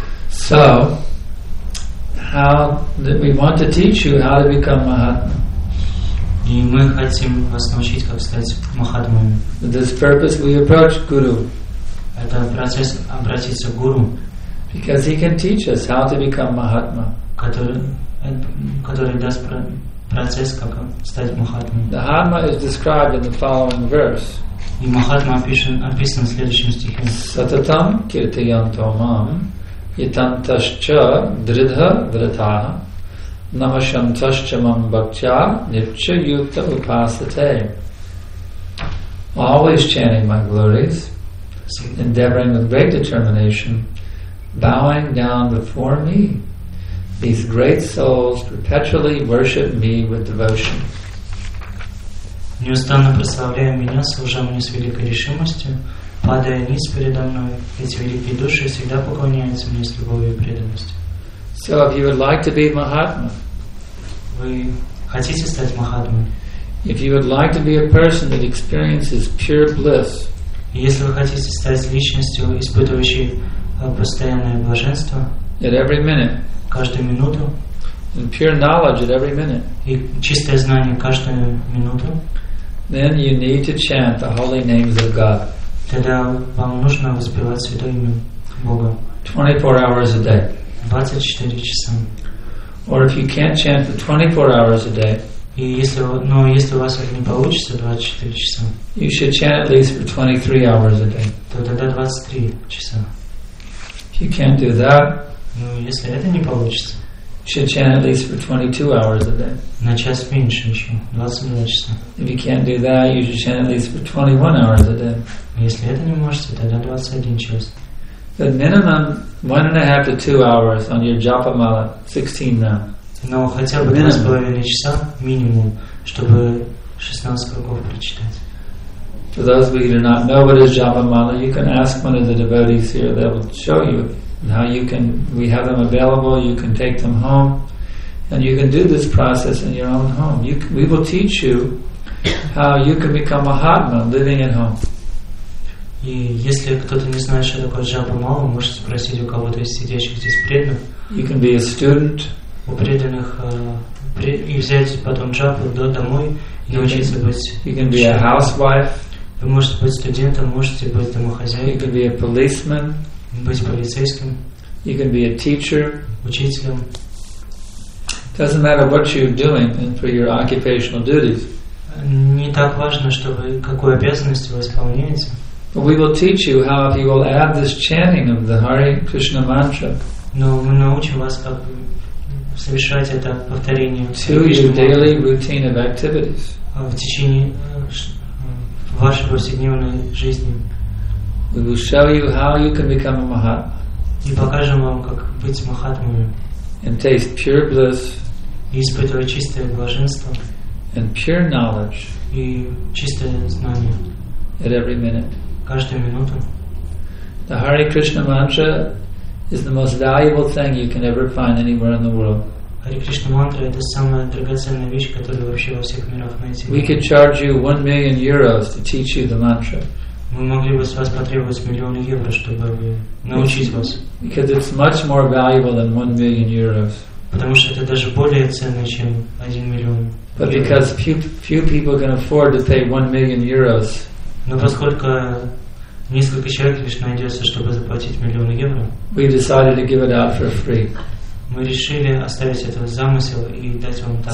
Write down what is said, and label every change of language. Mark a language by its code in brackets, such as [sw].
[en] So, we want to teach you how to become Mahatma. [ru] И мы хотим вас научить, как стать Махатмами. [en] This purpose we approach Guru. [ru] Это процесс обратиться к Гуру. [en] Because he can teach us how to become Mahatma. [ru] Который даст процесс, как стать Махатмой. [en] The Mahatma is described in the following verse. [ru] И Махатма описан в следующем стихе. [sa] Сататам киртиянтомам итанташча дридха вратаха Namashantashchamam bhakcha nipcha yukta upasate. [en] Always chanting my glories, endeavoring with great determination, bowing down before me, these great souls perpetually worship me with devotion. [ru] Неустанно прославляя меня, служа мне с великой решимостью, падая низ передо мной, эти великие души всегда поклоняются мне с любовью и преданностью. [en] So if you would like to be Mahatma, [ru] вы хотите стать Махатмой? [en] If you would like to be a person that experiences pure bliss, [ru] если вы хотите стать личностью, испытывающей постоянное блаженство, [en] at every minute, [ru] каждую минуту, [en] and pure knowledge at every minute, [ru] и чистое знание каждую минуту, [en] then you need to chant the holy names of God. [ru] Тогда вам нужно воспевать святое имя Бога. [en] 24 hours a day. [ru] 24 часа. [en] Or if you can't chant for 24 hours a day, [ru] если у вас это не получится 24 часа, [en] you should chant at least for 23 hours a day. [ru] Тогда 23 часа. [en] If you can't do that, [ru] если это не получится, [en] you should chant at least for 22 hours a day. [ru] На час меньше еще, 22 часа. [en] If you can't do that, you should chant at least for 21 hours a day. [ru] Если это не можете, тогда 21 час. [en] The minimum 1.5 to 2 hours on your japa mala, 16 now. [ru] Но хотя бы 2.5 часа минимум, чтобы 16 кругов прочитать. [en] For those of you who do not know what is japa mala, you can ask one of the devotees here. They will show you how you can. We have them available. You can take them home, and you can do this process in your own home. We will teach you how you can become a Mahatma living at home. [ru] И если кто-то не знает, что такое джапа мала, можете спросить у кого-то из сидящих здесь преданных. [en] You can be a student. [ru] У преданных и взять потом джапу домой и научиться быть. [en] You can be a housewife. [ru] Вы можете быть студентом, можете быть домохозяйкой. [en] You can be a policeman. [ru] Быть полицейским. [en] You can be a teacher. [ru] Учителем. [en] Doesn't matter what you're doing and for your occupational duties. [ru] Не так важно, что вы какую обязанность вы исполняете. [en] We will teach you how you will add this chanting of the Hare Krishna mantra. [ru] Но мы научим вас, как совершать это повторение. [en] To your daily routine of activities. [ru] В течение вашей повседневной жизни. [en] We will show you how you can become a mahatma. [ru] И покажем вам, как быть махатмой. [en] And taste pure bliss. [ru] И испытывать чистое блаженство. [en] And pure knowledge. [ru] И чистое знание. [en] At every minute. [ru] Каждую минуту. [en] The Hare Krishna mantra is the most valuable thing you can ever find anywhere in the world. [ru] Hare Krishna mantra – это самая драгоценная вещь, которую вообще во всех мирах найти. [en] We could charge you 1 million euros to teach you the mantra. [ru] Мы могли бы с вас потребовать 1 миллион евро, чтобы научить вас. [en] Because it's much more valuable than 1 million euros. [ru] Потому что это даже более ценно, чем 1 миллион. [en] But because few people can afford to pay 1 million euros. [ru] Но поскольку несколько человек лишь найдется, чтобы заплатить 1 миллион евро. [en] We decided to give it out for free. [ru] Мы решили оставить этот замысел и дать вам так.